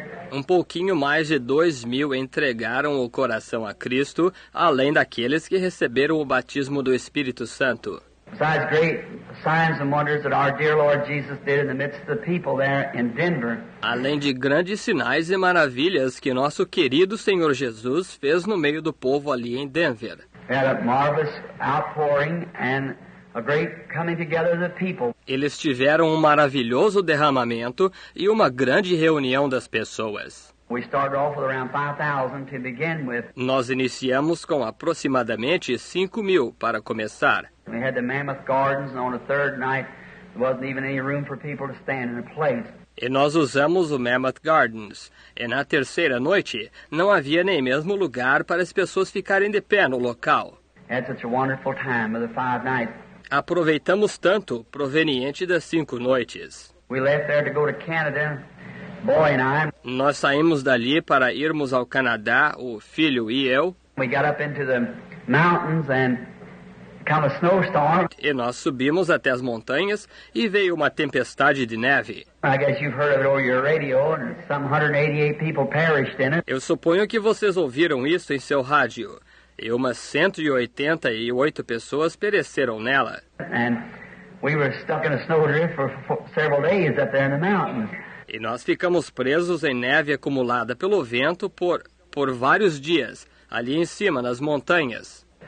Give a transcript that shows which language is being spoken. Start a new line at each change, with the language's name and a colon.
Portuguese: Um pouquinho mais de 2,000 entregaram o coração a Cristo, além daqueles que receberam o batismo do Espírito Santo.
English: Besides great signs and wonders that our dear Lord Jesus did in the midst of the people there in Denver.
Portuguese: Além de grandes sinais e maravilhas que nosso querido Senhor Jesus fez no meio do povo ali em Denver.
English: Had a marvelous outpouring and a great coming together of the people.
Portuguese: Eles tiveram um maravilhoso derramamento e uma grande reunião das pessoas.
English: We started off with around 5,000 to begin with.
Portuguese: Nós iniciamos com aproximadamente 5,000 para começar.
English: We had the Mammoth Gardens, and on the third night, there wasn't even any room for people to stand in a place.
Portuguese: E nós usamos o Mammoth Gardens. E na terceira noite, não havia nem mesmo lugar para as pessoas ficarem de pé no local.
English: Had such a wonderful time of the five nights.
Portuguese: Aproveitamos tanto proveniente das cinco noites.
English: We left there to go to Canada. Boy and I.
Portuguese: Nós saímos dali para irmos ao Canadá, o filho e eu.
English: We got up into the mountains and come a snowstorm.
Portuguese: E nós subimos até as montanhas e veio uma tempestade de neve.
English: I guess you've heard of it over your radio, and some 188 people perished in it.
Portuguese: Eu suponho que vocês ouviram isso em seu rádio. E umas 188 pessoas pereceram nela.
English: And we were stuck in a snowdrift for several days up there in the mountains.
Portuguese: E nós ficamos presos em neve acumulada pelo vento por vários dias, ali em cima, nas montanhas.